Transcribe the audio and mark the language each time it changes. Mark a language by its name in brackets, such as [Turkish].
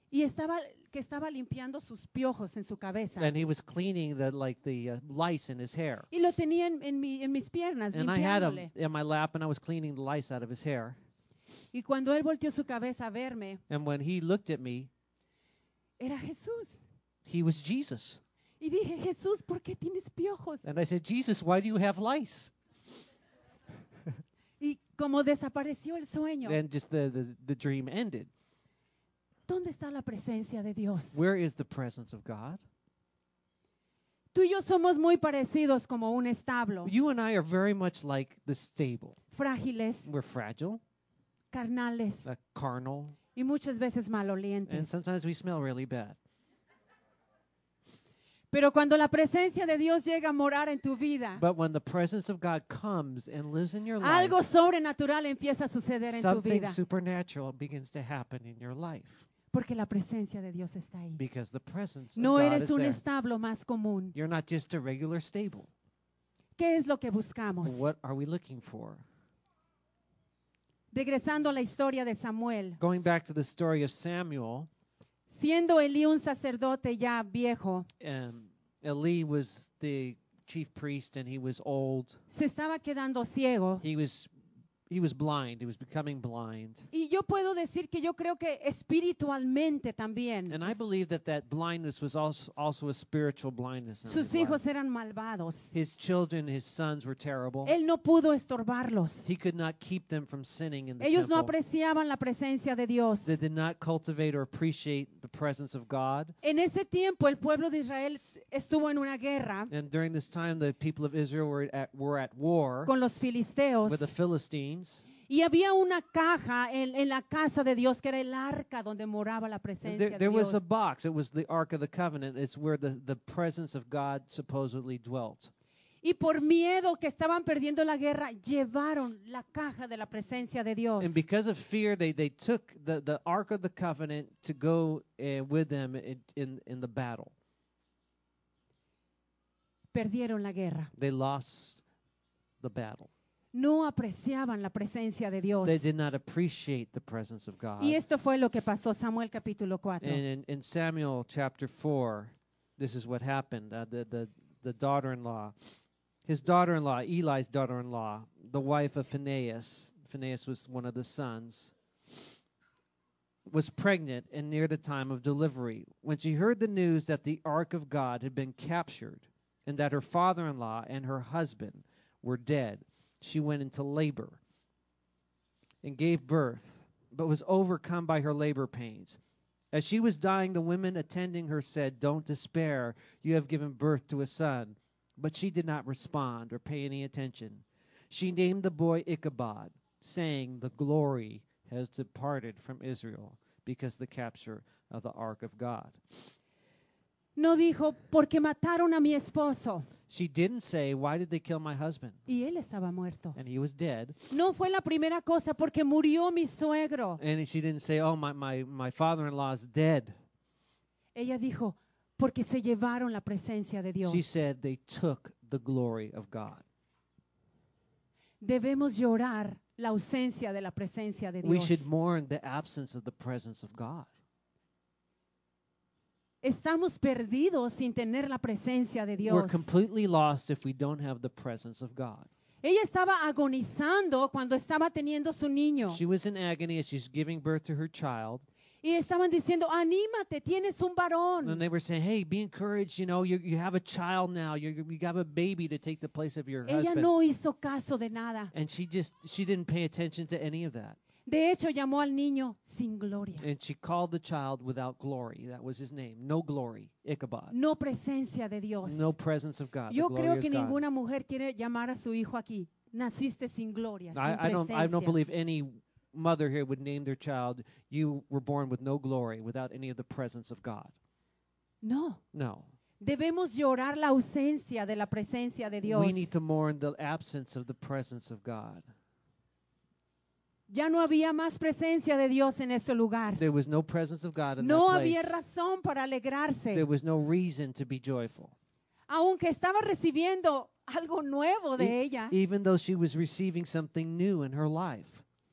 [Spanish] Y estaba que estaba limpiando sus piojos en su cabeza. [English] And he was cleaning the like the lice in his hair. [Spanish] Y lo tenía en mis piernas limpiándole. [English] And I had him in my lap, and I was cleaning the lice out of his hair. [Spanish] Y cuando él volteó su cabeza a verme, [English] and when he looked at me, [Spanish] era Jesús. [English] He was Jesus. [Spanish] Y dije, Jesús, ¿por qué tienes piojos? [English] And I said, Jesus, why do you have lice? [Spanish] Y como desapareció el sueño. [English] Then just the dream ended. [Spanish] ¿Dónde está la presencia de Dios? [English] Where is the presence of God? [Spanish] Tú y yo somos muy parecidos como un establo. [English] You and I are very much like the stable. [Spanish] Frágiles. [English] We're fragile. [Spanish] Carnales. [English] Carnal. [Spanish] Y muchas veces malolientes. [English] And sometimes we smell really bad. [Spanish] Pero cuando la presencia de Dios llega a morar en tu vida, [English] but when the presence of God comes and lives in your life, [Spanish] algo sobrenatural empieza a suceder en tu vida. [English] Something supernatural begins to happen in your life. [Spanish] Porque la presencia de Dios está ahí. [English] Because the presence [Spanish] no [English] of God [Spanish] eres [English] is [Spanish] un [English] there. [Spanish] Establo más común. [English] You're not just a regular stable. [Spanish] ¿Qué es lo que buscamos? [English] What are we looking for? [Spanish] Regresando a la historia de Samuel. [English] Going back to the story of Samuel. [Spanish] Siendo Elí un sacerdote ya viejo, [English] Elí was the chief priest and he was old. [Spanish] Se estaba quedando ciego. [English] He was blind. He was becoming blind. [Spanish] Y yo puedo decir que yo creo que espiritualmente también. [English] And I believe that blindness was also a spiritual blindness. [Spanish] Sus hijos eran malvados. [English] His children, his sons were terrible. [Spanish] Él no pudo estorbarlos. [English] He could not keep them from sinning in the temple. [Spanish] Ellos no apreciaban la presencia de Dios. [English] They did not cultivate or appreciate the presence of God. [Spanish] En ese tiempo el pueblo de Israel estuvo en una guerra. [English] And during this time the people of Israel were at war [Spanish] con los filisteos. [English] With the Philistines. [Spanish] Y había una caja en la casa de Dios que era el arca donde moraba la presencia de Dios. [English] There was a box. It was the Ark of the Covenant. It's where the presence of God supposedly dwelt. [Spanish] Y por miedo que estaban perdiendo la guerra, llevaron la caja de la presencia de Dios. [English] And because of fear, they took the Ark of the Covenant to go with them in the battle. [Spanish] Perdieron la guerra. [English] They lost the battle. [Spanish] No apreciaban la presencia de Dios. [English] They did not appreciate the presence of God. [Spanish] Y esto fue lo que pasó, Samuel capítulo 4. [English] In Samuel chapter 4, this is what happened. The daughter-in-law, his daughter-in-law, Eli's daughter-in-law, the wife of Phinehas, Phinehas was one of the sons, was pregnant and near the time of delivery. When she heard the news that the ark of God had been captured and that her father-in-law and her husband were dead, she went into labor and gave birth, but was overcome by her labor pains. As she was dying, the women attending her said, "Don't despair, you have given birth to a son." But she did not respond or pay any attention. She named the boy Ichabod, saying, "The glory has departed from Israel because the capture of the Ark of God." [Spanish] No dijo, porque mataron a mi esposo. [English] She didn't say, why did they kill my husband? [Spanish] Y él estaba muerto. [English] And he was dead. [Spanish] No fue la primera cosa, porque murió mi suegro. [English] And she didn't say, oh, my father-in-law is dead. [Spanish] Ella dijo, Porque se llevaron la presencia de Dios. [English] She said they took the glory of God. [Spanish] Debemos llorar la ausencia de la presencia de Dios. [English] We should mourn the absence of the presence of God. [Spanish] Estamos perdidos sin tener la presencia de Dios. [English] We're completely lost if we don't have the presence of God. [Spanish] Ella estaba agonizando cuando estaba teniendo su niño. [English] She was in agony as she's giving birth to her child. [Spanish] Y estaban diciendo, anímate, tienes un varón. [English] And they were saying, hey, be encouraged, you know, you have a child now. You have a baby to take the place of your [Spanish] ella [English] husband. [Spanish] Ella no hizo caso de nada. [English] And she didn't pay attention to any of that. [Spanish] De hecho, llamó al niño sin gloria. [English] And she called the child without glory. That was his name. No glory. Ichabod. [Spanish] No presencia de Dios. [English] No presence of God. [Spanish] Yo creo que [English] God. [Spanish] Ninguna mujer quiere llamar a su hijo aquí. Naciste sin gloria, sin presencia. [English] I don't believe any mother here would name their child, you were born with no glory, without any of the presence of God. [Spanish] No. [English] No. [Spanish] Debemos llorar la ausencia de la presencia de Dios. [English] We need to mourn the absence of the presence of God. [Spanish] Ya no había más presencia de Dios en ese lugar. [English] There was no presence of God in [Spanish] no [English] that place. [Spanish] No había razón para alegrarse. [English] There was no reason to be joyful. [Spanish] Aunque estaba recibiendo algo nuevo de ella. [English] Even though she was receiving something new in her life.